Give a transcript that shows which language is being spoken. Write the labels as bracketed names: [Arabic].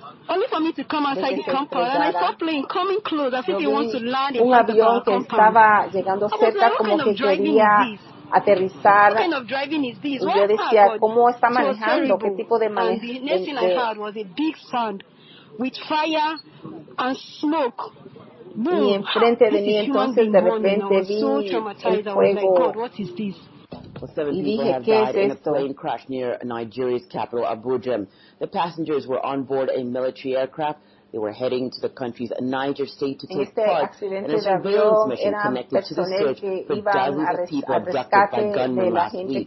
[English] Only for me to come outside the compound, and I saw a plane coming close as if it wants to land in the compound. I was like, what kind of driving is this? [Spanish] Aterrizar. [English] What kind of driving is this? [Spanish] Yo decía, ¿cómo está manejando? ¿Qué tipo de manejo? [English] The next thing I heard was a big sound with fire and smoke. [Spanish] Y enfrente de mí entonces de repente vi el fuego. [English] Well, 7 people have died in a plane crash near Nigeria's capital, Abuja. The passengers were on board a military aircraft They were heading to the countries of Niger State to take este part in a surveillance mission connected to the search for dozens of people abducted by gunmen last week.